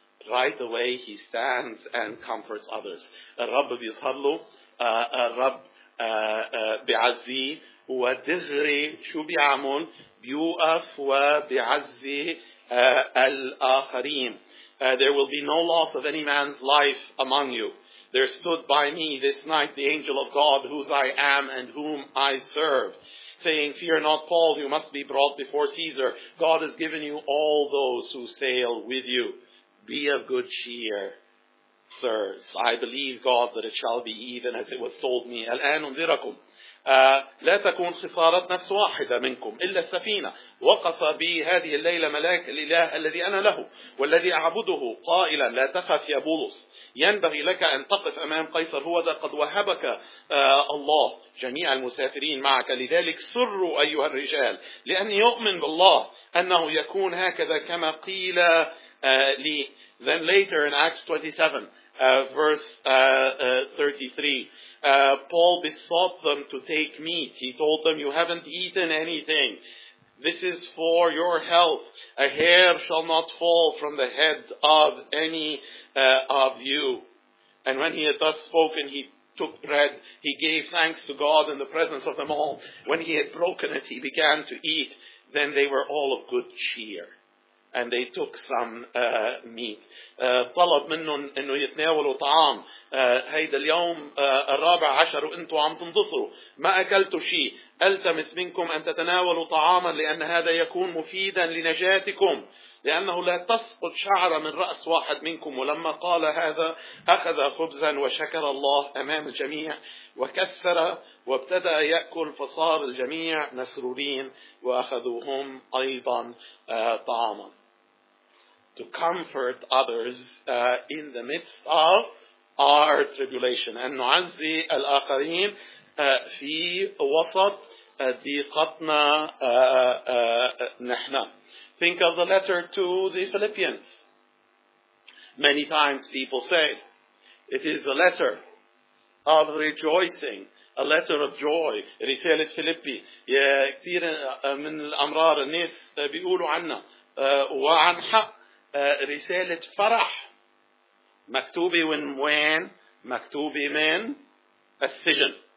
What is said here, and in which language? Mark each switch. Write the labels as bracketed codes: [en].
[en] Right away, he stands and comforts others. [ar] الرب بيظهر له, الرب بيعزيه, ودغري شو بيعمل؟ بيوقف وبيعزي الآخرين. [en] There will be no loss of any man's life among you. There stood by me this night the angel of God, whose I am and whom I serve, saying, fear not, Paul, you must be brought before Caesar. God has given you all those who sail with you. Be of good cheer, sirs. I believe God that it shall be even as it was told me. [ar] الآن انذركم. لا تكون خسارة نفس واحدة منكم إلا السفينة. وقف بي هذه الليلة ملاك الإله الذي أنا له والذي أعبده قائلا لا تخف يا بولس. ينبغي لك أن تقف أمام قيصر, هو ذا قد وهبك الله جميع المسافرين معك. لذلك سروا أيها الرجال لأن يؤمن بالله أنه يكون هكذا كما قيل لي. [en] Then later in Acts 27 verse 33, Paul besought them to take meat. He told them, you haven't eaten anything. This is for your health. A hair shall not fall from the head of any of you. And when he had thus spoken, he took bread. He gave thanks to God in the presence of them all. When he had broken it, he began to eat. Then they were all of good cheer. And they took some meat. [ar] طلب منهم أنه يتناولوا طعام. هيدا اليوم الرابع عشر وأنتوا عم تنتصروا. ما أكلتوا شيء. ألتمس منكم أن تتناولوا طعاما لأن هذا يكون مفيدا لنجاتكم. لأنه لا تسقط شعرة من رأس واحد منكم. ولما قال هذا أخذ خبزا وشكر الله أمام الجميع وكسر وابتدأ يأكل فصار الجميع مسرورين وأخذوهم أيضا طعاما. [en] To comfort others in the midst of our tribulation. [ar] أن نعزي الآخرين في وسط ضيقتنا نحن. [en] Think of the letter to the Philippians. Many times people say, it is a letter of rejoicing, a letter of joy. [ar] رسالة فيليبي. كثير من الأمرار الناس بيقولوا عنها وعن حق رسالة فرح. مكتوبة من وين؟ مكتوبة من السجن.